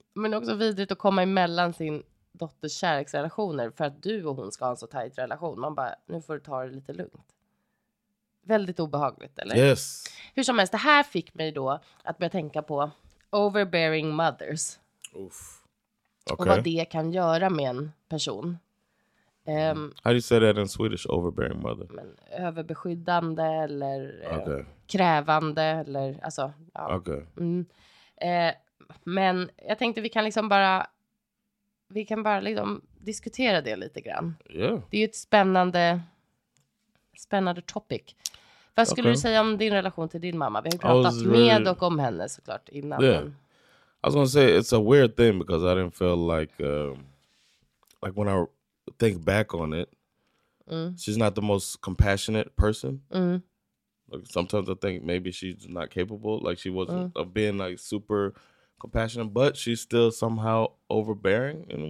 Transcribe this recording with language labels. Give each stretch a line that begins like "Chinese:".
Swedish: Men det är också vidrigt att komma emellan sin dotters kärleksrelationer för att du och hon ska ha en så tajt relation. Man bara, nu får du ta det lite lugnt. Väldigt obehagligt, eller?
English: Yes.
Swedish: Hur som helst, det här fick mig då att börja tänka på overbearing mothers. Oof. Okay. Och vad det kan göra med en person.
English: How do you say that in Swedish, overbearing mother?
Swedish: Men överbeskyddande eller krävande eller alltså, ja.
English: Okay. Mm.
Swedish: Men jag tänkte vi kan bara liksom diskutera det lite grann.
English: Yeah.
Swedish: Det är ju ett spännande topic. Vad skulle okay. du säga om din relation till din mamma? Vi har pratat med really... och om henne såklart innan.
English: Yeah. I was gonna say it's a weird thing because I didn't feel like when I think back on it, she's not the most compassionate person. Mm. Like sometimes I think maybe she's not capable, like she wasn't of being like super compassionate, but she's still somehow overbearing.